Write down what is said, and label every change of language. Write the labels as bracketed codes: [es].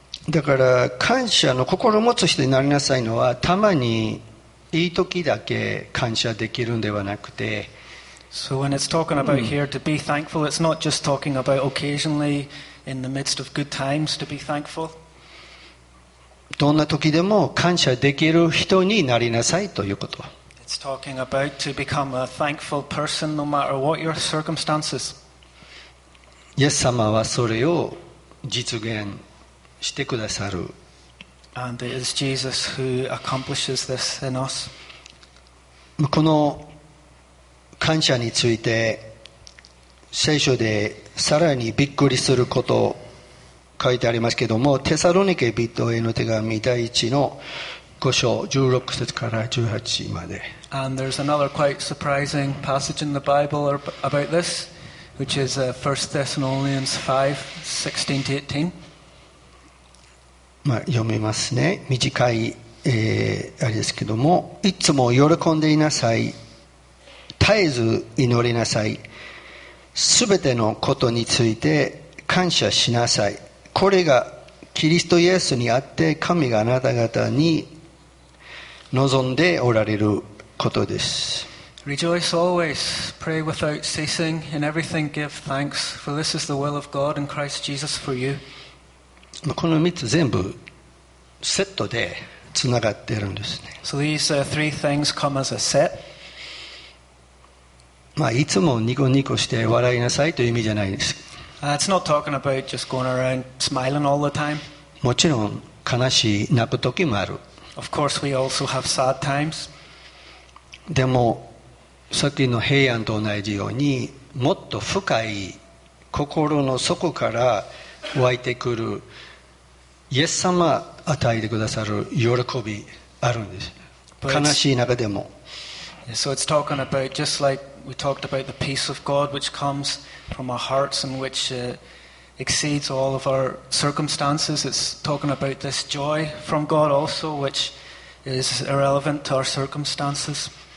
[ja] だから感謝の心を持つ人になりなさいのは、たまにいい時だけ感謝できるのではなくて、 [en] So when it's talking about here to be thankful, it's not just talking about occasionally in the midst of good times to be thankful. [ja] どんな時でも感謝できる人になりなさいということ。 [en] It's talking about to become a thankful person no matter what your circumstances. [ja] イエス様はそれを実現してくださる。 [en] And it is Jesus who accomplishes this in us. [ja] この感謝について聖書でさらにびっくりすること書いてありますけども、テサロニケ人への手紙第1の5章16節から18まで。 [en] And there's another quite surprising passage in the Bible about this, which is 1 Thessalonians 5:16-18. [ja] まあ読みますね。短い、あれですけども、いつも喜んでいなさい。絶えず祈りなさい。すべてのことについて感謝しなさい。これがキリストイエスにあって神があなた方に望んでおられることです。 [en] Rejoice always, pray without ceasing, in everything give thanks, for this is the will of God in Christ Jesus for you. [ja] この3つ全部セットでつながっているんですね。 [en] So these three things come as a set. [ja] まあ、いつもニコニコして笑いなさいという意味じゃないです。 [en] It's not talking about just going around smiling all the time. [ja] もちろん悲しい泣く時もある。 [en] Of course we also have sad times. [ja] でもさっきの平安と同じようにもっと深い心の底から湧いてくるイエス様与えてくださる喜びあるんです。悲しい中でも。 [en] So it's talking about just like we talked about the peace of God which comes from our hearts and which exceeds all of our circumstances. It's talking about this joy from God also which is irrelevant to our circumstances.